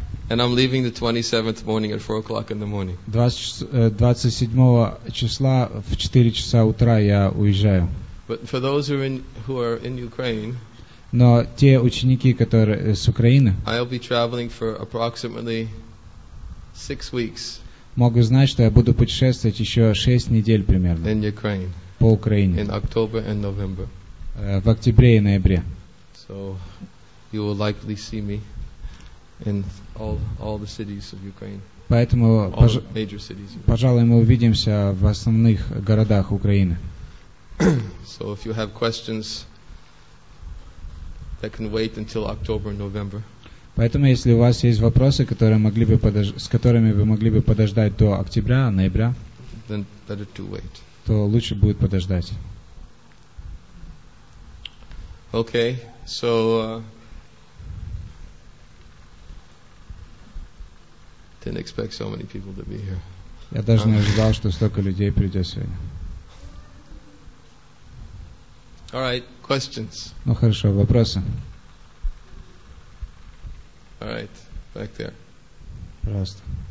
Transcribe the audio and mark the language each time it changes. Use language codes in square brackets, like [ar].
[en] And I'm leaving the 27th morning at 4 o'clock in the morning. [ru] 27 числа в 4 часа утра я уезжаю. [en] But for those who are in Ukraine. [ru] Но те ученики, которые с Украины, [en] I'll be traveling for approximately 6 weeks. [ru] Могу знать, что я буду путешествовать еще 6 недель примерно. [en] In Ukraine. [ru] По Украине. [en] In October and November. [ru] В октябре и ноябре. [en] So you will likely see me in all the cities of Ukraine. [ru] Поэтому, [en] major cities. [ru] Пожалуй, мы увидимся в основных городах Украины. [en] So if you have questions. That can wait until October and November. [ru] Поэтому, если у вас есть вопросы, которые могли бы с которыми вы могли бы подождать до октября, ноября, [en] then better to wait. [ru] То лучше будет подождать. [en] Okay, so didn't expect so many people to be here. [ru] Я даже не ожидал, что столько людей придет сегодня. [en] All right, questions. [ru] Ну хорошо, вопросы. [en] All right, back there. [ru] Пожалуйста.